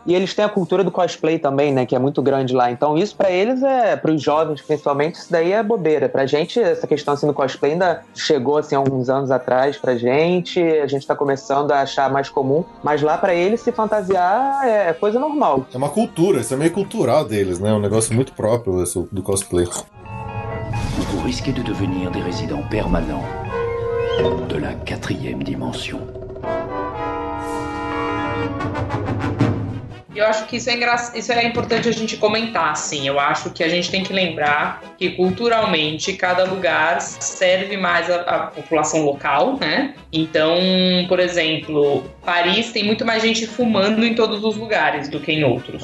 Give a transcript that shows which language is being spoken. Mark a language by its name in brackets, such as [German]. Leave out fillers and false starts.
[Portuguese] E eles têm a cultura do cosplay também, né? Que é muito grande lá. Então isso pra eles é, pros jovens principalmente, isso daí é bobeira. Pra gente, essa questão assim do cosplay ainda chegou assim alguns anos atrás pra gente. A gente tá começando a achar mais comum. Mas lá pra eles, se fantasiar é coisa normal. É uma cultura, isso é meio cultural deles, né? É um negócio muito próprio isso do cosplay. Você [French] risque de devenir des résidents permanents de la quatrième dimension. [Portuguese] Eu acho que isso é importante a gente comentar, assim. Eu acho que a gente tem que lembrar que culturalmente cada lugar serve mais a população local, né? Então, por exemplo, Paris tem muito mais gente fumando em todos os lugares do que em outros.